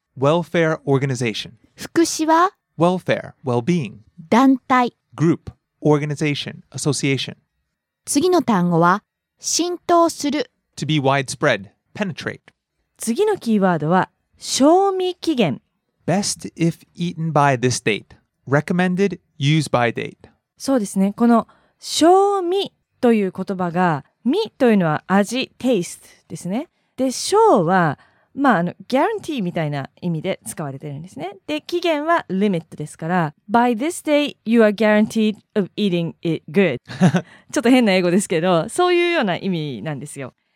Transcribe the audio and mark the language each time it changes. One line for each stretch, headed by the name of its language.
English: Welfare Organization。
Japanese: 福祉は
English: Welfare, Well-being
Japanese: 団体
English: Group, Organization, Association。
Japanese: 次の単語は浸透する
English: to be widespread, penetrate。
Japanese: 次のキーワードは賞味期限
English: best if eaten by this date, recommended use by date。
Japanese: そうですね、この賞味という言葉が、味というのは味 taste ですね。で、賞はguarantee みたいな意味で使われてるんですね。で、期限は limit ですから
English: by this day you are guaranteed of eating it good
Japanese: ちょっと変な英語ですけど、そういうような意味なんですよ。